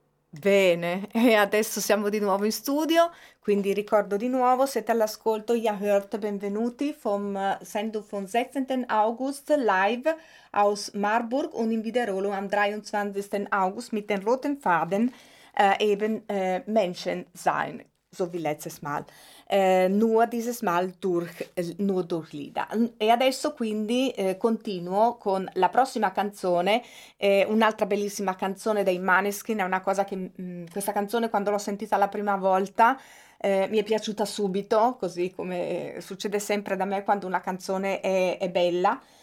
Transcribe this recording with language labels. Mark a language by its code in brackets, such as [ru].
[it] Bene, e adesso siamo di nuovo in studio, quindi ricordo di nuovo, siete all'ascolto, [de] ihr hört, [it] benvenuti, [de] vom Sendung von 16. August, live aus Marburg und im Wiederholung am 23. August mit den roten Faden, eben Menschen sein, so wie letztes Mal, nur dieses Mal nur durch Lieder. [it] E adesso quindi continuo con la prossima canzone, un'altra bellissima canzone dei Maneskin, è una cosa che questa canzone quando l'ho sentita la prima volta mi è piaciuta subito, così come succede sempre da me quando una canzone è bella.